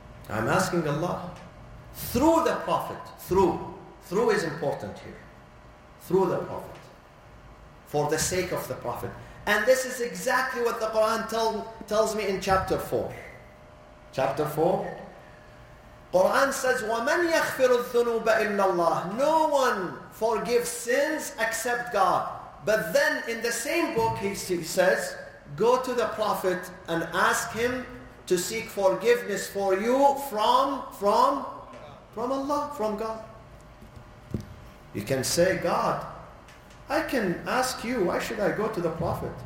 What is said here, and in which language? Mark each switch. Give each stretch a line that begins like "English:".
English: I'm asking Allah. Through the Prophet. Through. Through is important here. Through the Prophet. For the sake of the Prophet. And this is exactly what the Quran tells me in chapter 4. Chapter 4. Quran says,
Arabic: وَمَنْ يَخْفِرُ الذُّنُوبَ إِلَّا اللَّهِ.
English: No one forgives sins except God. But then in the same book he says, go to the Prophet and ask him to seek forgiveness for you from Allah, from God. You can say, God, I can ask you, why should I go to the Prophet?